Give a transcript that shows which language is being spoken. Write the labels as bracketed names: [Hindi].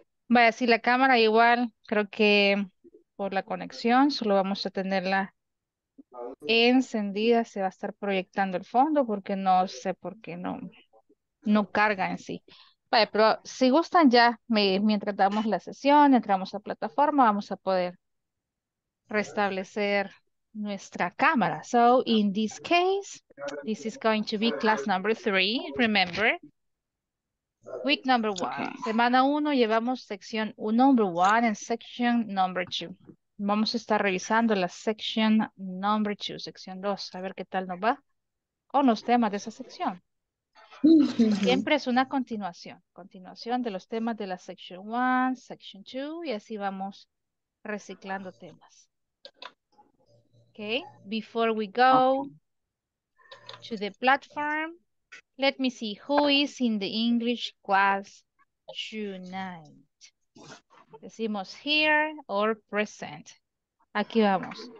[Spanish] Vaya, si la cámara igual, creo que por la conexión, solo vamos a tenerla encendida, se va a estar proyectando el fondo porque no sé por qué no carga en sí. Vale, pero si gustan ya, mientras damos la sesión, entramos a plataforma, vamos a poder restablecer nuestra cámara. [English] So, in this case, this is going to be class number three, remember? Week number one. [Spanish] Semana uno, llevamos sección [English] number one and section number two. [Spanish] Vamos a estar revisando la [English] section number two, [Spanish] sección 2, a ver qué tal nos va con los temas de esa sección. Siempre es una continuación de los temas de la section 1, section 2, y así vamos reciclando temas. [English] Okay, before we go to the platform, let me see who is in the English class tonight. [Spanish] Decimos [English] here or present. [Spanish] Aquí vamos.